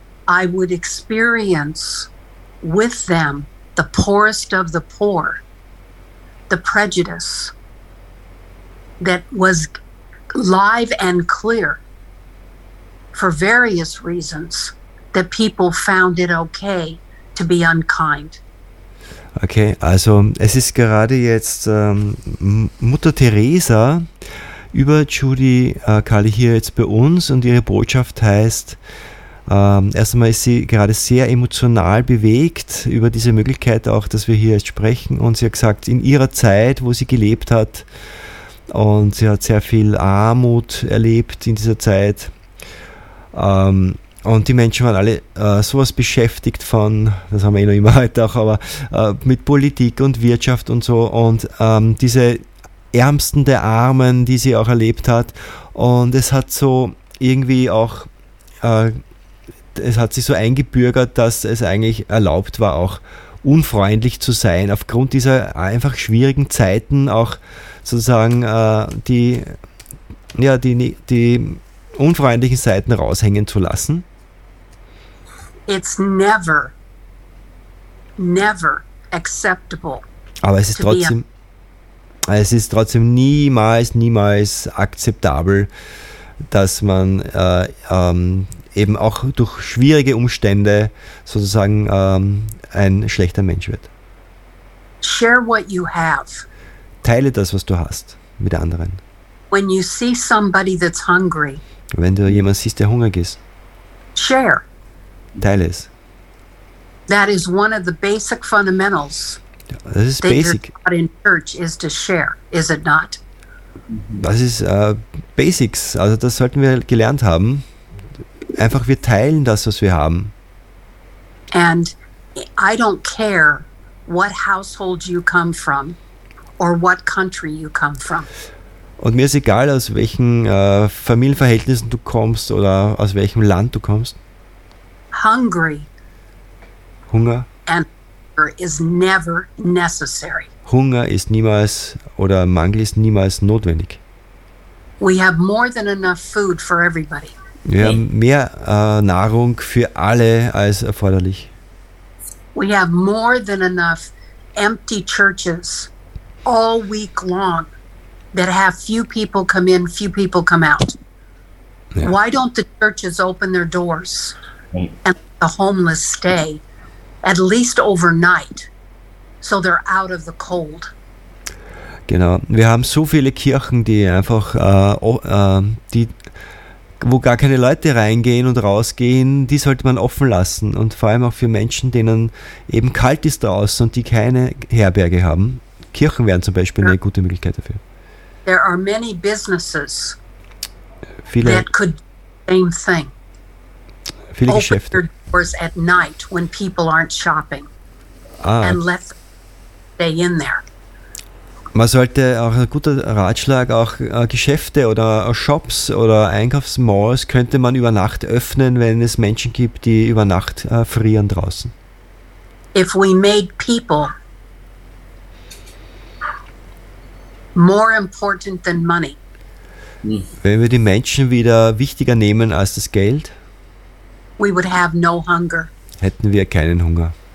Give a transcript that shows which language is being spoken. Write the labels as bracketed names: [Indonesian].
[English] I would experience with them the poorest of the poor, the prejudice that was live and clear for various reasons that people found it okay to be unkind. [German] Okay, also es ist gerade jetzt Mutter Teresa über Judy Kali hier jetzt bei uns und ihre Botschaft heißt, erst einmal ist sie gerade sehr emotional bewegt über diese Möglichkeit auch, dass wir hier jetzt sprechen, und sie hat gesagt, in ihrer Zeit, wo sie gelebt hat, und sie hat sehr viel Armut erlebt in dieser Zeit. Und die Menschen waren alle sowas beschäftigt von, das haben wir eh noch immer heute auch, aber mit Politik und Wirtschaft und so. Und diese Ärmsten der Armen, die sie auch erlebt hat. Und es hat so irgendwie auch, es hat sich so eingebürgert, dass es eigentlich erlaubt war, auch unfreundlich zu sein, aufgrund dieser einfach schwierigen Zeiten auch sozusagen die unfreundlichen Seiten raushängen zu lassen. [English] It's never, never acceptable. [German] Aber es ist trotzdem niemals akzeptabel, dass man eben auch durch schwierige Umstände sozusagen ein schlechter Mensch wird. [English] Share what you have. [German] Teile das, was du hast, mit anderen. [English] When you see somebody that's hungry, [German] wenn du jemanden siehst, der hungrig ist, [English] share. [German] Teile es. [English] That is one of the basic fundamentals. [German] Das ist basic. [English] That in church is to share, is it not? [German] Das ist Basics. Also das sollten wir gelernt haben. Einfach, wir teilen das, was wir haben. [English] And I don't care what household you come from or what country you come from. [German] Und mir ist egal, aus welchen Familienverhältnissen du kommst oder aus welchem Land du kommst. [English] Hungry. [German] Hunger. [English] And is never necessary. [German] Hunger ist niemals oder Mangel ist niemals notwendig. [English] We have more than enough food for everybody. [German] Wir haben mehr Nahrung für alle als erforderlich. [English] We have more than enough empty churches all week long that have few people come in, few people come out. [German] Ja. [English] Why don't the churches open their doors and let the homeless stay at least overnight, so they're out of the cold? [German] Genau. Wir haben so viele Kirchen, die einfach, wo gar keine Leute reingehen und rausgehen, die sollte man offen lassen. Und vor allem auch für Menschen, denen eben kalt ist draußen und die keine Herberge haben. Kirchen wären zum Beispiel eine gute Möglichkeit dafür. [English] There are many businesses [German] viele, [English] that could do the same thing. [German] Viele Geschäfte. [English] Open their doors at night when people aren't shopping. Ah. And let them stay in there. [German] Man sollte auch, ein guter Ratschlag, auch Geschäfte oder Shops oder Einkaufsmalls könnte man über Nacht öffnen, wenn es Menschen gibt, die über Nacht frieren draußen. [English] If we made people more important than money. [German] Wenn wir die Menschen wieder wichtiger nehmen als das Geld, [English] we would have no hunger. [German] Hätten wir keinen Hunger.